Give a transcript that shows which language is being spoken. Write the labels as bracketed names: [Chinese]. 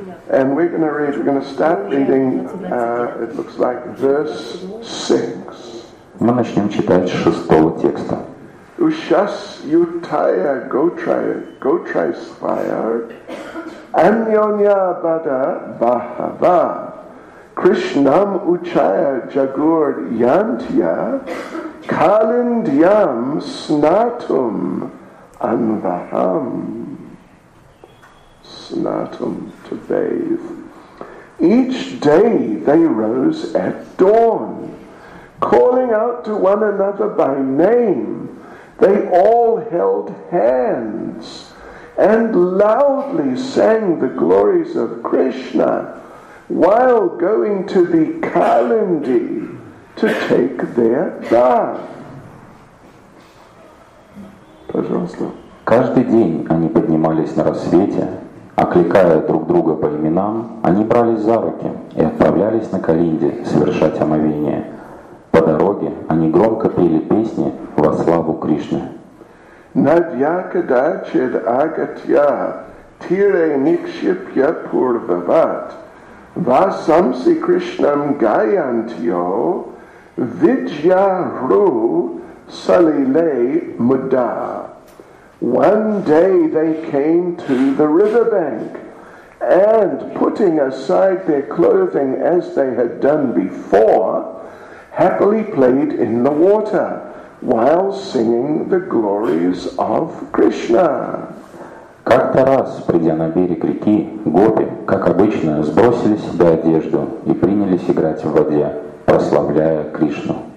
[English] And we're going to read, we're going to start reading, it looks like, verse 6. [Russian] Мы начнем читать с шестого текста. [Sanskrit] Ushas yutaya gotraisvayar anyonya bada bahava. Krishnam uchaya jagur yantya kalindyam snatum anvaham. [English] Snatum, to bathe. Each day they rose at dawn, calling out to one another by name, they all held hands and loudly sang the glories of Krishna while going to the Kalindi to take their bath. [Russian] Пожалуйста. Каждый день они поднимались на рассвете, окликая друг друга по именам, они брались за руки и отправлялись на Калинди совершать омовение. По дороге они громко пели песни во славу Кришны. [Sanskrit] Надья кадачид агатья тире никшипья пурвават васамси Кришнам гаянтьо виджья ру салиле мда. [English] One day they came to the river bank, and putting aside their clothing as they had done before, happily played in the water while singing the glories of Krishna. [Russian] Как-то раз, придя на берег реки, гопи, как обычно, сбросили себе одежду и принялись играть в воде, прославляя Кришну.